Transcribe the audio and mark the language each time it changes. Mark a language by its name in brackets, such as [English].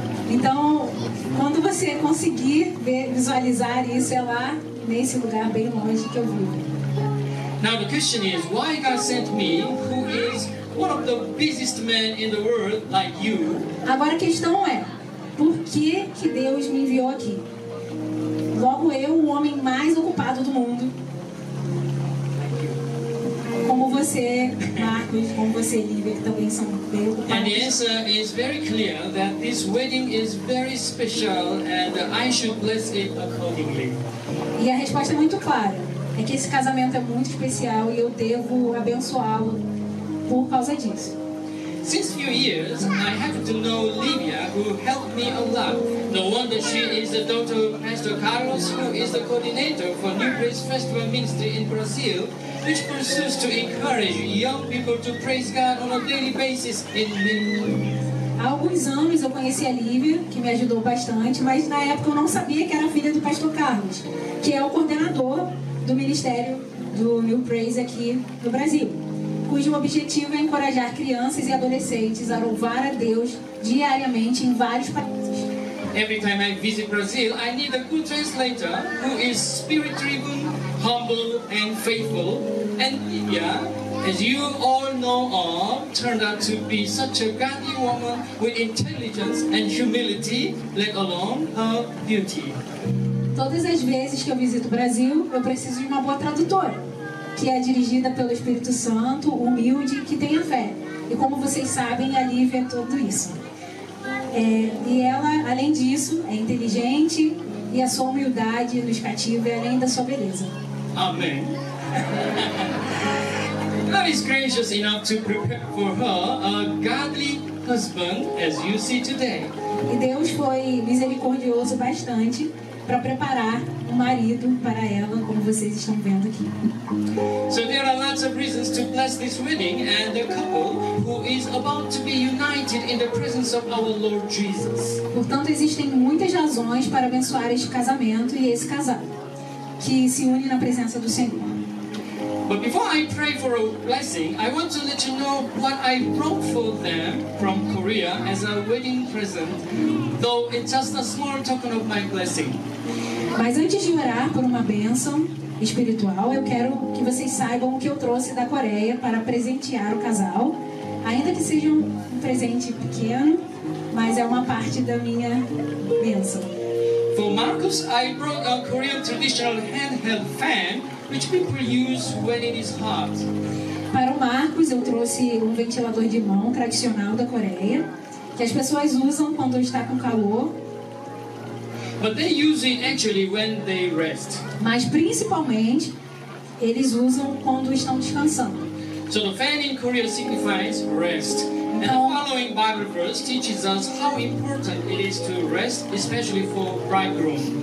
[Portuguese] Então, quando você conseguir visualizar isso, é lá, nesse lugar bem longe que eu vivo. [English] Now the question is, why God sent me, who is one of the busiest men in the world, like you? [Portuguese] Agora a questão é, por que que Deus me enviou aqui? Logo eu, o homem mais ocupado do mundo. Como você, Marcos, como você, Lívia, que também são bem ocupados. [English] And the answer is very clear that this wedding is very special and I should bless it accordingly. [Portuguese] E a resposta é muito clara. É que esse casamento é muito especial e eu devo abençoá-lo por causa disso. [English] Since few years, I happen to know Lívia, who helped me a lot. No wonder she is the daughter of Pastor Carlos, who is the coordinator for New Praise Festival Ministry in Brazil, which pursues to encourage young people to praise God on a daily basis in Brazil. [Portuguese] Há alguns anos eu conheci a Lívia, que me ajudou bastante, mas na época eu não sabia que era filha do Pastor Carlos, que é o coordenador do Ministério do New Praise aqui no Brasil, cujo objetivo é encorajar crianças e adolescentes a louvar a Deus diariamente em vários países. [English] Every time I visit Brazil, I need a good translator who is spirit-driven, humble and faithful. And Lívia, as you all know of, turned out to be such a godly woman with intelligence and humility, let alone her beauty. [Portuguese] Todas as vezes que eu visito o Brasil, eu preciso de uma boa tradutora, que é dirigida pelo Espírito Santo, humilde e que tenha fé. E como vocês sabem, a Lívia é tudo isso. É, e ela, além disso, é inteligente e a sua humildade nos cativa, além da sua beleza. [English] Amém. God is gracious enough to prepare for her a godly husband, as you see today. [Portuguese] E Deus foi misericordioso bastante para preparar um marido para ela, como vocês estão vendo aqui. [English] So there are lots of reasons to bless this wedding and the couple who is about to be united in the presence of our Lord Jesus. [Portuguese] Portanto, existem muitas razões para abençoar este casamento e esse casal que se une na presença do Senhor. [English] But before I pray for a blessing, I want to let you know what I brought for them from Korea as a wedding present, though it's just a small token of my blessing. [Portuguese] Mas antes de orar por uma bênção espiritual, eu quero que vocês saibam o que eu trouxe da Coreia para presentear o casal, ainda que seja um presente pequeno, mas é uma parte da minha bênção. [English] For Marcos, I brought a Korean traditional handheld fan, which people use when it is hot. [Portuguese] Para o Marcos, eu trouxe um ventilador de mão tradicional da Coreia, que as pessoas usam quando está com calor. [English] But they use it actually when they rest. [Portuguese] Mas principalmente, eles usam quando estão descansando. [English] So the fan in Korea signifies rest. And the following Bible verse teaches us how important it is to rest, especially for bridegroom.